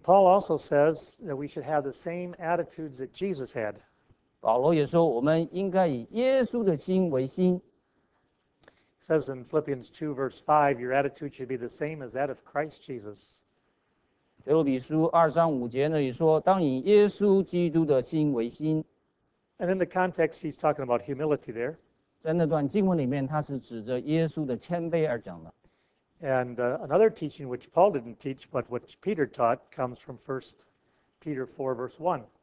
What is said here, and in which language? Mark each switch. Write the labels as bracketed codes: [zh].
[en] Paul also says that we should have the same attitudes that Jesus had. [zh] 保罗也说，我们应该以耶稣的心为心。 [en] It says in Philippians 2, verse 5, your attitude should be the same as that of Christ Jesus. [zh] 腓立比书2章5节那里说，当以耶稣基督的心为心。 [en] And in the context, he's talking about humility there. [zh] 在那段经文里面，他是指着耶稣的谦卑而讲的。 [en] And another teaching which Paul didn't teach, but which Peter taught, comes from 1 Peter 4, verse 1.